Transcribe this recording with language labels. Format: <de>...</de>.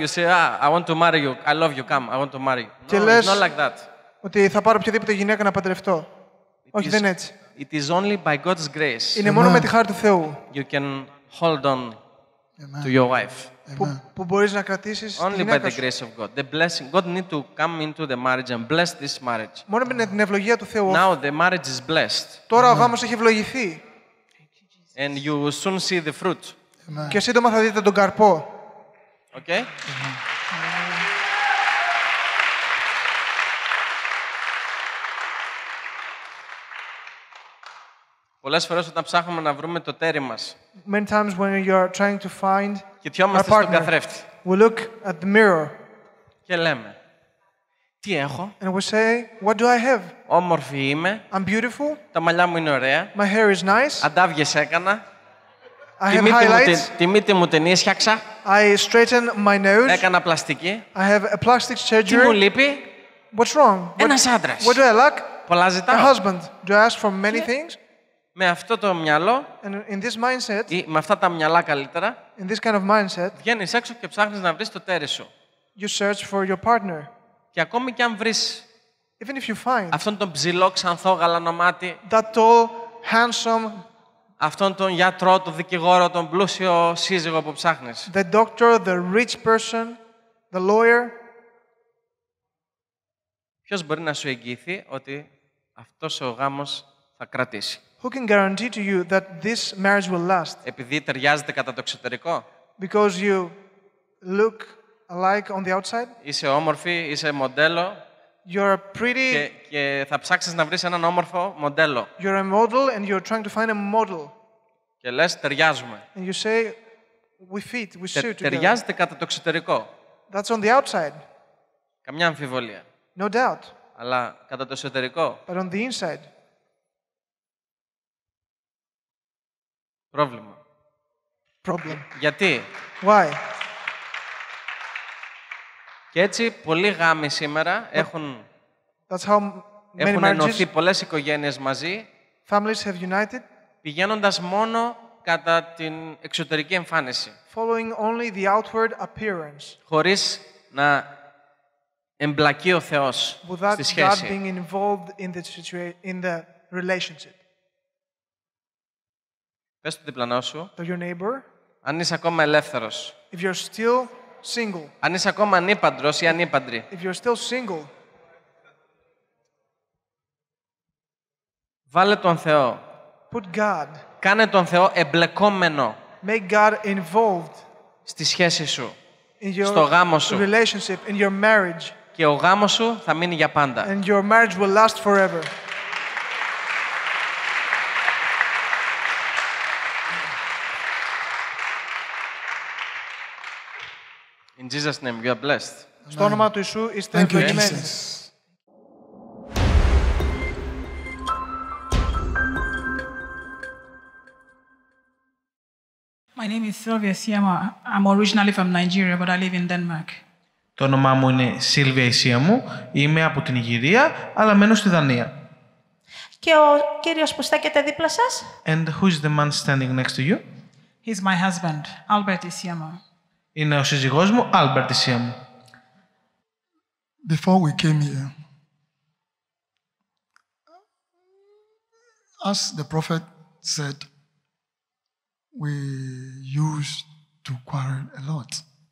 <en>You say, I want to marry you. I love you. Come, I want to marry you.</en> <el>Και</el> <en>no,</en> <el>λες</el> <en>it's not like that.</en> <el>Ότι θα πάρω οποιαδήποτε γυναίκα να παντρευτώ. Όχι, δεν είναι έτσι.</el> <en>It is only by God's grace.</en> <el>Είναι μόνο με τη χάρη του Θεού.</el> <en>You can hold on to your wife.</en> <el>Που μπορείς να κρατήσεις τη γυναίκα σου.</el> <en>Only by the grace of God. The blessing. God need to come into the marriage and bless this marriage.</en> <el>Μόνο με την ευλογία του Θεού.</el> <en>Now the marriage is blessed.</en> <el>Τώρα ο γάμος έχει ευλογηθεί.</el> <en>And you will soon see the fruit.</en> <el>Και σύντομα θα δείτε τον καρπό.</el> <en>Okay.</en> <el>Πολλές φορές όταν ψάχνουμε να βρούμε το τέρι μας.</el> <en>Many times when you are trying to find our partner, we look at the mirror.</en> <el>Και λέμε. Τι έχω;</el> <en>And we say, what do I have?</en> <el>Όμορφη είμαι.</el> <en>I'm beautiful.</en> <el>Τα μαλλιά μου είναι ωραία.</el> <en>My hair is nice.</en> <el>Αντάβγες έκανα.</el> <en>I have highlights.</en> <el>Τη μύτη μου την έσχιαξα.</el> <en>I straighten my nose.</en> <el>Έκανα πλαστική.</el> <en>I have a plastic surgery.</en> <el>Τι μου λείπει;</el> <en>What's wrong?</en> <el>Ένας άντρας.</el> <en>What do I lack?</en> <el>πολλά ζητάω.</el> <en>A husband, do I ask for many things?</en> <el>Με αυτό το μυαλό,</el> <en>and in this mindset,</en> <el>ή με αυτά τα μυαλά καλύτερα,</el> <en>in this kind of mindset,</en> <el>βγαίνεις έξω και ψάχνεις να βρεις το τέρι σου.</el> <en>You search for your partner.</en> <el>Και ακόμη και αν βρεις,</el> <en>even if you find,</en> <el>αυτόν τον ψηλό ξανθό γαλανομάτι,</el> <en>that tall, handsome,</en> <el>αυτόν τον γιατρό, τον δικηγόρο, τον πλούσιο σύζυγο που ψάχνεις.</el> <en>The doctor, the rich person, the lawyer.</en> <el>Ποιος μπορεί να σου εγγυηθεί ότι αυτός ο γάμος θα κρατήσει?</el> <en>Who can guarantee to you that this marriage will last?</en> <el>Επειδή ταιριάζεται κατά το εξωτερικό.</el> <en>Because you look alike on the outside.</en> <el>Είσαι όμορφη, είσαι μοντέλο.</el> <en>You're pretty.</en> <el>Και θα ψάξεις να βρεις έναν όμορφο μοντέλο.</el> <en>You're a model and you're trying to find a model.</en> <el>Και λες ταιριάζουμε.</el> <en>And you say we fit, we suit.</en> <el>Ταιριάζεται κατά το εξωτερικό.</el> <en>That's on the outside.</en> <el>Καμιά αμφιβολία.</el> <en>No doubt.</en> <el>Αλλά κατά το εσωτερικό.</el> <en>But on the inside.</en> <el>Πρόβλημα.</el> <en>Problem.</en> <el>Γιατί?</el> <en>Why?</en> <el>Και έτσι πολλοί γάμοι σήμερα έχουν ενωθεί, πολλές οικογένειες μαζί,</el> <en>families have united,</en> <el>πηγαίνοντας μόνο κατά την εξωτερική εμφάνιση.</el> <en>Following only the outward appearance.</en> <el>Χωρίς να εμπλακεί ο Θεός</el> <en>without</en> <el>στη σχέση.</el> <en>God being involved in the situation, in the relationship.</en> <el>Πες στον διπλανό σου,</el> <en>to your neighbor,</en> <el>αν είσαι ακόμα ελεύθερος.</el> <en>If you're still single.</en> <el>Αν είσαι ακόμα ανήπαντρος ή ανήπαντρη.</el> <en>If you're still single.</en> <el>Βάλε τον Θεό.</el> <en>Put God.</en> <el>Κάνε τον Θεό εμπλεκόμενο.</el> <en>Make God involved.</en> <el>Στη σχέση σου.</el> <en>In your</en> <el>στο γάμο σου.</el> <en>Relationship, in your marriage.</en> <el>Και ο γάμος σου θα μείνει για πάντα.</el> <en>And your marriage will last forever. In Jesus' name, you are blessed.</en> <el>Στο όνομα του Ιησού είστε ευλογημένοι.</el> <en>My name is Sylvia Assiamah. I'm originally from Nigeria, but I live in Denmark.</en> <el>Το όνομά μου είναι Sylvia Assiamah. Είμαι από την Νιγηρία, αλλά μένω στη Δανία. Και ο κύριος που στέκεται δίπλα σας?</el> <en>And who is the man standing next to you? He's my husband, Albert Assiamah.</en> <el>Είναι ο σύζυγός μου, Albert Assiamah.</el> <en>Before we came here, as the prophet said, we used to quarrel a lot.</en>